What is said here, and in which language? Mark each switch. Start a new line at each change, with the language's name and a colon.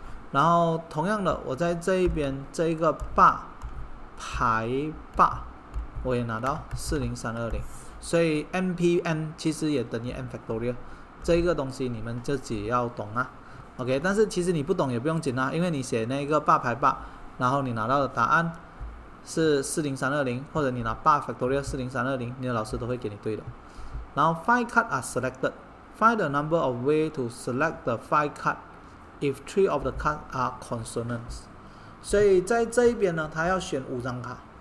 Chinese: 然后同样的，我在这一边这一个八排八，我也拿到40320，所以 MPN 其实也等于 n factorial， 这个东西你们自己要懂啊。 OK， 但是其实你不懂也不用紧啊，因为你写那个八排八，然后你拿到的答案是40320，或者你拿八 factorial 40320，你的老师都会给你对的。
English: 然后 five card are selected， find the number of way to select the five card if three of the card are consonants。
Chinese: 所以在这一边呢，他要选五张卡。